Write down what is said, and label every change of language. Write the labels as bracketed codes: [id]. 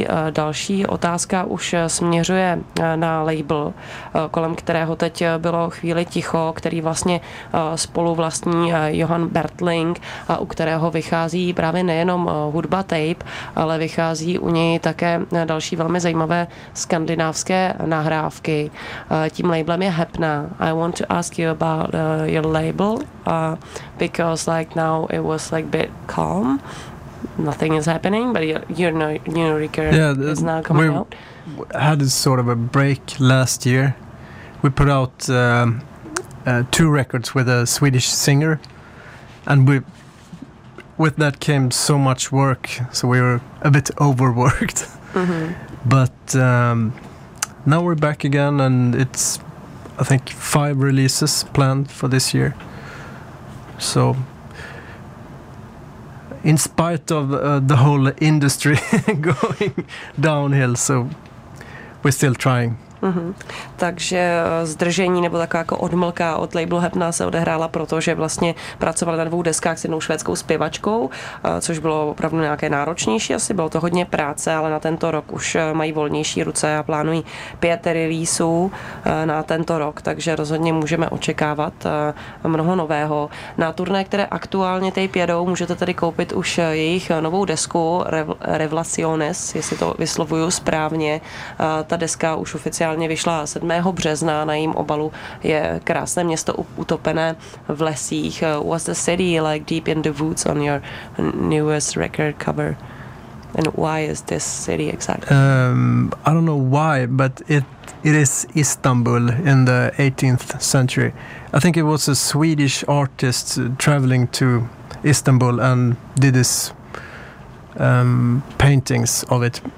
[cs] Další otázka už směřuje na label, kolem kterého teď bylo chvíli ticho, který vlastně spolu vlastní Johan Bertling a u kterého vychází právě nejenom hudba tape, ale vychází u něj také další velmi zajímavé skandinávské nahrávky. Tím labelem je Hepna. [en] I want to ask you about your label, because like now it was like a bit calm. Nothing is happening, but your new record is now coming out. Had a sort of a break last year. We put out two records with a Swedish singer, and with that came so much work, so we were a bit overworked. Mm-hmm. But now we're back again, and it's, I think, five releases planned for this year. So in spite of the whole industry going downhill, so we're still trying. Mm-hmm. [cs] Takže zdržení nebo taková jako odmlka od labelu Hepna se odehrála, protože vlastně pracovali na dvou deskách s jednou švédskou zpěvačkou, což bylo opravdu nějaké náročnější, asi bylo to hodně práce, ale na tento rok už mají volnější ruce a plánují pět releaseů na tento rok, takže rozhodně můžeme očekávat mnoho nového. Na turné, které aktuálně tape jedou, můžete tedy koupit už jejich novou desku Revelaciones, jestli to vyslovuju správně. Ta deska už oficiálně vyšla 7. března, na jejím obalu je krásné město utopené v lesích. [en] Was the city like deep in the woods on your newest record cover? And why is this city exactly? I don't know why, but it is Istanbul in the 18th century. I think it was a Swedish artist traveling to Istanbul and did this paintings of it.